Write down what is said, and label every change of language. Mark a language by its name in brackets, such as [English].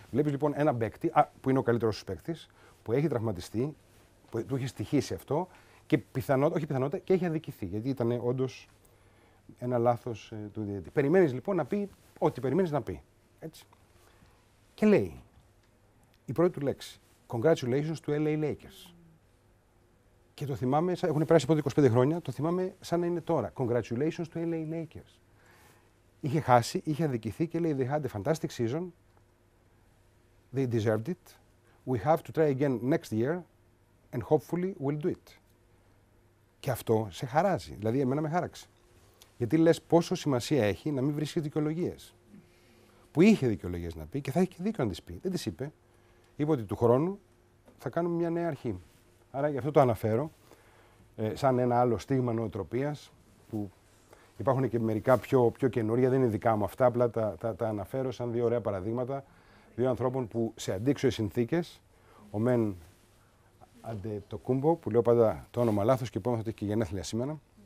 [Greek] Βλέπεις λοιπόν ένα παίκτη, που είναι ο καλύτερος σου παίκτης, που έχει τραυματιστεί, που του έχει στοιχήσει αυτό, και πιθανότητα και έχει αδικηθεί, γιατί ήταν όντως ένα λάθος του διαιτητή. Περιμένεις λοιπόν να πει ό,τι περιμένεις να πει. Έτσι. Και λέει η πρώτη του λέξη. [English] Congratulations to LA Lakers. [Greek] Και το θυμάμαι, έχουν περάσει από 25 χρόνια, το θυμάμαι σαν να είναι τώρα. [English] Congratulations to LA Lakers. [Greek] Είχε χάσει, είχε αδικηθεί και λέει, [English] they had a fantastic season. They deserved it. We have to try again next year and hopefully we'll do it. [Greek] Και αυτό σε χαράζει. Δηλαδή, εμένα με χάραξε. Γιατί λες πόσο σημασία έχει να μην βρίσκεις δικαιολογίες. Που είχε δικαιολογίες να πει και θα έχει και δίκιο να τις πει. Δεν τις είπε. Είπε ότι του χρόνου θα κάνουμε μια νέα αρχή. Άρα γι' αυτό το αναφέρω σαν ένα άλλο στίγμα νοοτροπίας που υπάρχουν και μερικά πιο καινούργια, δεν είναι δικά μου αυτά, απλά τα αναφέρω σαν δύο ωραία παραδείγματα δύο ανθρώπων που σε αντίξωες συνθήκες, ο Μεν Αντε το Κούμπο, που λέω πάντα το όνομα λάθος και υπόμαθα ότι έχει και γενέθλια σήμερα.